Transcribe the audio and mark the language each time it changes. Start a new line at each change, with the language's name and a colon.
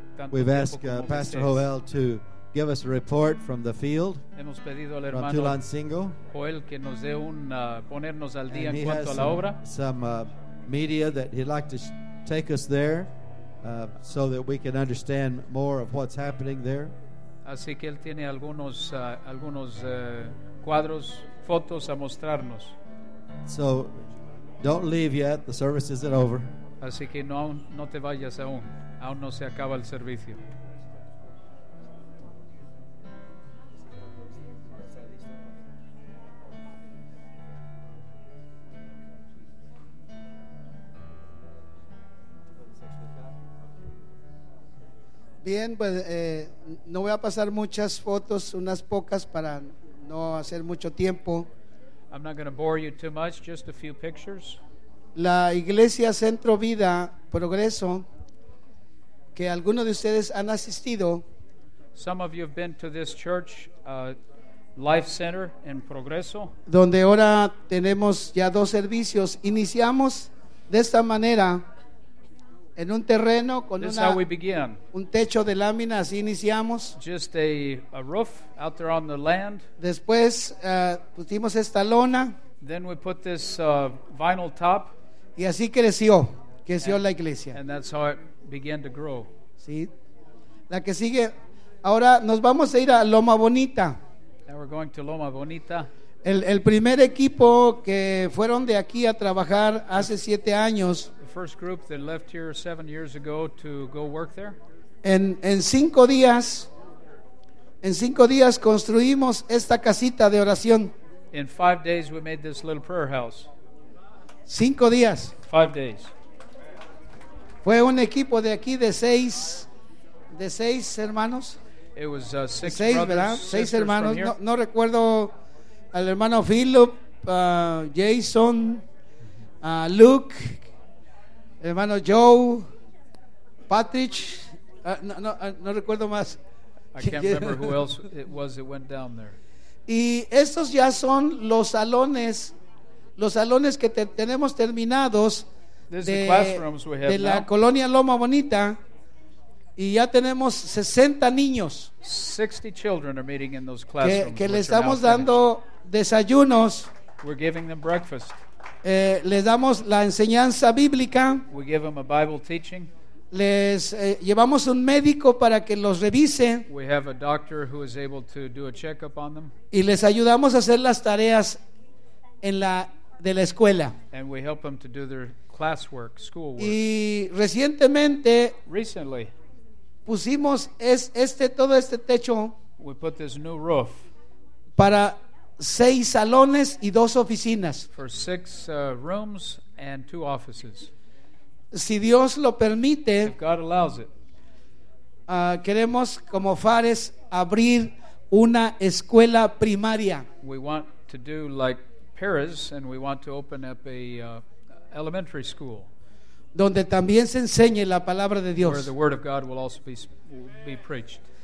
English: We've asked Pastor Joel to give us a report from the field, from Tulancingo. And he has some media that he'd like to take us there so that we can understand more of what's happening there.
Spanish: Así que él tiene algunos cuadros, fotos a mostrarnos.
English: So, don't leave yet. The service isn't over.
Spanish: Así que no te vayas aún. Aún no se acaba el servicio. Bien, pues no voy a pasar muchas fotos, unas pocas para no hacer mucho tiempo.
English: I'm not going to bore you too much, just a few pictures.
Spanish: La Iglesia Centro Vida Progreso, que algunos de ustedes han asistido.
English: Some of you have been to this church, Life Center in Progreso.
Spanish: Donde ahora tenemos ya dos servicios. Iniciamos de esta manera. En un terreno con un techo de lámina, así iniciamos.
English: Just a roof out there on the land.
Spanish: Después pusimos esta lona.
English: Then we put this vinyl top.
Spanish: Y así creció la iglesia.
English: And that's how it began to grow.
Spanish: Sí. La que sigue. Ahora nos vamos a ir a Loma Bonita.
English: Now we're going to Loma Bonita.
Spanish: El primer equipo que fueron de aquí a trabajar hace 7 años.
English: First group that left here 7 years ago to go work there.
Spanish: En cinco días construimos esta casita de oración.
English: In 5 days we made this little prayer house.
Spanish: 5 días.
English: 5 days.
Spanish: Fue un equipo de aquí de seis hermanos.
English: It was six
Spanish: seis,
English: brothers.
Spanish: ¿Verdad?
English: Sisters,
Spanish: seis hermanos.
English: From here.
Spanish: No recuerdo al hermano Philip, Jason, Luke. Hermano Joe, Patrick, no recuerdo más.
English: I can't remember who else it was that went down there.
Spanish: Y estos ya son los salones que tenemos terminados de la colonia Loma Bonita, y ya tenemos 60 niños.
English: 60 children are meeting in those classrooms.
Spanish: Que le estamos dando desayunos.
English: We're giving them breakfast.
Spanish: Les damos la enseñanza bíblica.
English: We give them a Bible teaching.
Spanish: Les llevamos un médico para que los revise.
English: We have a doctor who is able to do a checkup on them.
Spanish: Y les ayudamos a hacer las tareas de la escuela.
English: And we help them to do their classwork, schoolwork.
Spanish: Y recientemente,
English: recently,
Spanish: pusimos todo este techo.
English: We put this new roof.
Spanish: Para 6 salones y 2 oficinas.
English: For 6 rooms and 2 offices.
Spanish: Si Dios lo permite,
English: if God allows it,
Spanish: queremos como Fares abrir una escuela primaria.
English: We want to do like Paris, and we want to open up a elementary school.
Spanish: Donde también se enseñe la palabra de Dios.
English: Where the word of God will also be preached.